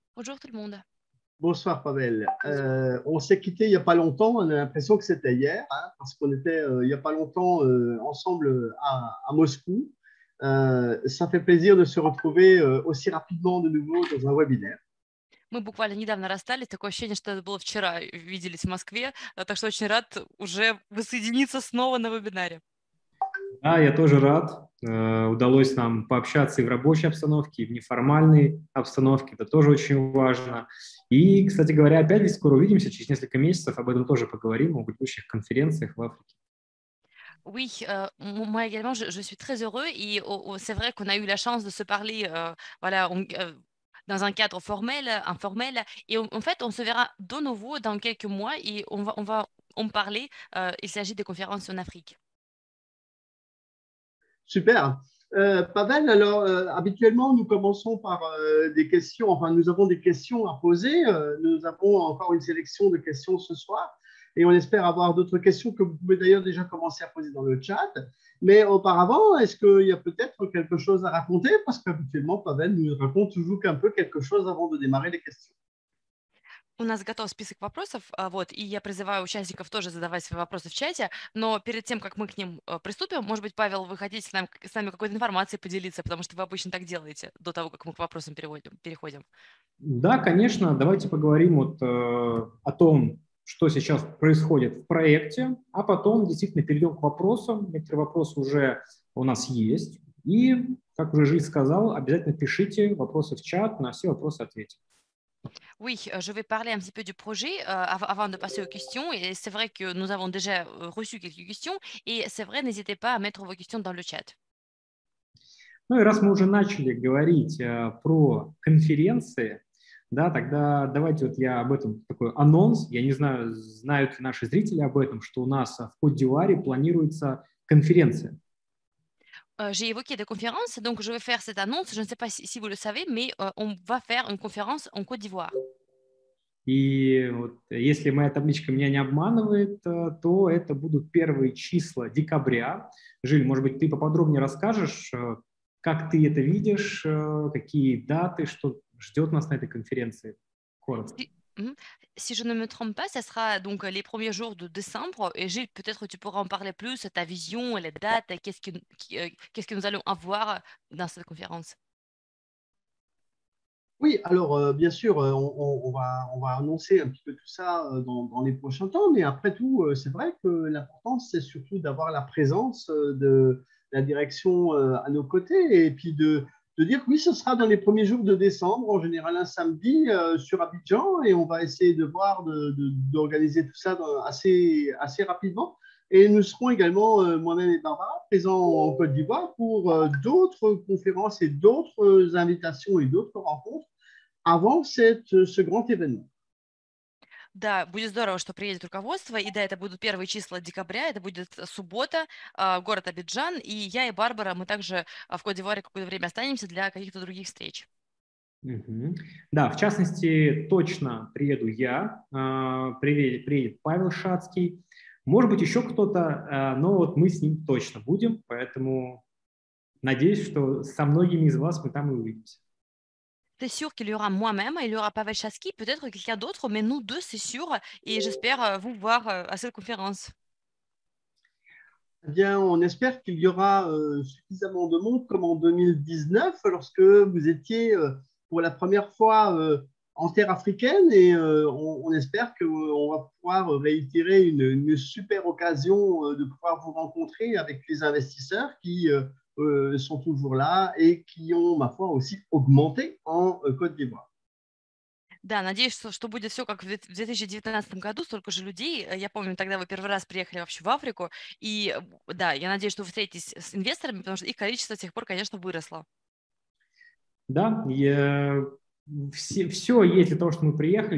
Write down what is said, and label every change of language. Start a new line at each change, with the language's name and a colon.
French: Bonjour tout le monde. Bonsoir Pavel. On s'est quitté il y a pas longtemps. On a l'impression que c'était hier, hein, parce qu'on était il y a pas longtemps ensemble à Moscou. Ça fait plaisir de se retrouver aussi rapidement de nouveau dans un webinaire.
Russian: Мы буквально недавно расстались, такое ощущение, что это было вчера, виделись в Москве, так что очень рад уже воссоединиться снова на вебинаре. Да, я тоже рад. Удалось нам пообщаться и в рабочей обстановке, и в неформальной обстановке. Это тоже очень важно. И, кстати говоря, опять здесь скоро увидимся, через несколько месяцев об этом тоже поговорим, о будущих конференциях в Африке.
French: Oui, moi également, je suis très heureux.
Russian: И
French: c'est vrai qu'on a eu la chance de se parler voilà, dans un cadre formel, informel. Et en fait, on se verra de nouveau dans quelques mois et on va en parler. Il s'agit des conférences en Afrique. Super. Pavel, alors habituellement, nous commençons par des questions. Enfin, nous avons des questions à poser. Nous avons encore une sélection de questions ce soir et on espère avoir d'autres questions que vous pouvez d'ailleurs déjà commencer à poser dans le chat. Mais auparavant, est-ce qu'il y a peut-être quelque chose à raconter? Parce qu'habituellement, Pavel nous raconte toujours qu'un peu quelque chose avant de démarrer les questions.
Russian: У нас готов список вопросов, вот, и я призываю участников тоже задавать свои вопросы в чате, но перед тем, как мы к ним приступим, может быть, Павел, вы хотите с нами какой-то информацией поделиться, потому что вы обычно так делаете до того, как мы к вопросам переходим. Да, конечно, давайте поговорим вот о том, что сейчас происходит в проекте, а потом действительно перейдем к вопросам, некоторые вопросы уже у нас есть, и, как уже Жиль сказал, обязательно пишите вопросы в чат, на все вопросы ответим.
French: Oui, je vais parler un petit peu du projet avant de passer aux questions. Et c'est vrai que nous avons déjà reçu quelques questions. Et c'est vrai, n'hésitez pas à mettre vos questions dans le chat.
Russian: Ну и раз мы уже начали говорить про конференции, да, тогда давайте вот я об этом такой анонс. Я не знаю, знают ли наши зрители об этом, что у нас в Кот-д'Ивуаре планируется конференция.
French: J'ai évoqué des conférences, donc je vais faire cette annonce. Je ne sais pas si vous le savez, mais on va faire une conférence en Côte d'Ivoire. Et si ma
Russian: табличка меня не обманывает, то это будут первые числа декабря. Жиль, может быть, ты поподробнее расскажешь, как ты это видишь, какие даты, что ждет нас на этой конференции?
French: Si je ne me trompe pas, ce sera donc les premiers jours de décembre. Et Gilles, peut-être que tu pourras en parler plus, ta vision, les dates, qu'est-ce que nous allons avoir dans cette conférence. Oui, alors bien sûr, on va annoncer un petit peu tout ça dans les prochains temps. Mais après tout, c'est vrai que l'important, c'est surtout d'avoir la présence de la direction à nos côtés et puis de dire que oui, ce sera dans les premiers jours de décembre, en général un samedi, sur Abidjan, et on va essayer de voir, d'organiser tout ça assez rapidement. Et nous serons également, moi-même et Barbara, présents en Côte d'Ivoire pour d'autres conférences et d'autres invitations et d'autres rencontres avant ce grand événement.
Russian: Да, будет здорово, что приедет руководство, и да, это будут первые числа декабря, это будет суббота, город Абиджан, и я и Барбара, мы также в Кот-д'Ивуаре какое-то время останемся для каких-то других встреч. Mm-hmm. Да, в частности, точно приеду я, приедет Павел Шацкий, может быть, еще кто-то, но вот мы с ним точно будем, поэтому надеюсь, что со многими из вас мы там и увидимся.
French: C'est sûr qu'il y aura moi-même, il y aura Pavel Chaski, peut-être quelqu'un d'autre, mais nous deux, c'est sûr, et j'espère vous voir à cette conférence. Eh bien, on espère qu'il y aura suffisamment de monde comme en 2019, lorsque vous étiez pour la première fois en terre africaine et on espère qu'on va pouvoir réitérer une super occasion de pouvoir vous rencontrer avec les investisseurs qui sont toujours là et qui ont, ma foi, aussi augmenté en Côte d'Ivoire.
Russian: Да, надеюсь, что будет все как в 2019 году, столько же людей. Я помню, тогда вы первый раз приехали вообще в Африку. И да, я надеюсь, что вы встретитесь с инвесторами, потому что их количество с тех пор, конечно, выросло. Да, все есть для того, что мы приехали.